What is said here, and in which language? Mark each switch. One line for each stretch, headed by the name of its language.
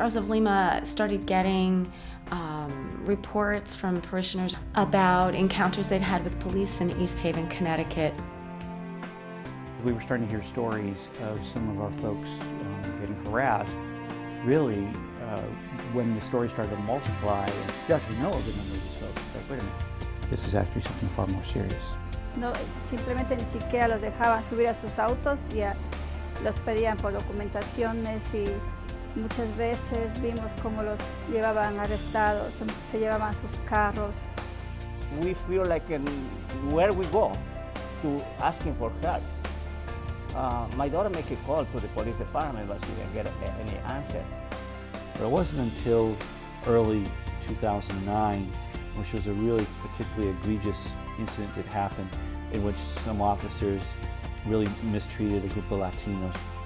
English: Rose of Lima started getting reports from parishioners about encounters they'd had with police in East Haven, Connecticut. We were starting to hear stories of some of our folks getting harassed. Really, when the story started to multiply, just to know a good number of these folks, it's like, wait a minute, this is actually something far more serious.
Spanish: No, simplemente ni siquiera los dejaban subir a sus autos y los pedían por documentaciones y muchas veces vimos cómo los llevaban arrestados, se llevaban sus carros.
English: We feel like where we go to asking for help. My daughter make a call to the police department, but she didn't get any answer. But it wasn't until early 2009, which was a really particularly egregious incident that happened, in which some officers really mistreated a group of Latinos.